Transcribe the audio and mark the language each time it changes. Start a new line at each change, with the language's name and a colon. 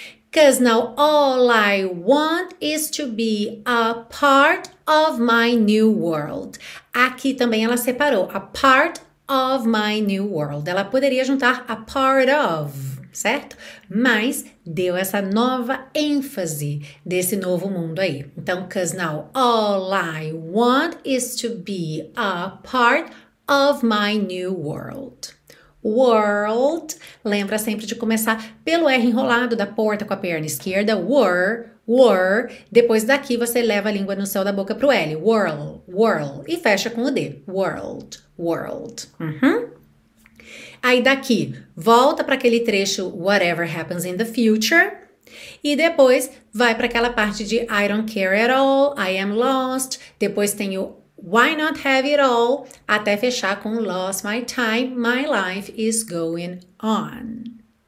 English: 'Cause now all I want is to be a part of my new world.
Portuguese: Aqui também ela separou
English: a part of my new world.
Portuguese: Ela poderia juntar
English: a part of,
Portuguese: certo? Mas deu essa nova ênfase desse novo mundo aí.
English: Então, 'cause now all I want is to be a part of my new world.
Portuguese: World, lembra sempre de começar pelo R enrolado da porta com a perna esquerda, were, depois daqui você leva a língua no céu da boca pro L, world, e fecha com o D, world. Uhum. Aí daqui, volta para aquele trecho,
English: whatever happens in the future,
Portuguese: e depois vai para aquela parte de
English: I don't care at all, I am lost,
Portuguese: depois tem o
English: why not have it all,
Portuguese: até fechar com
English: lost my time, my life is going on.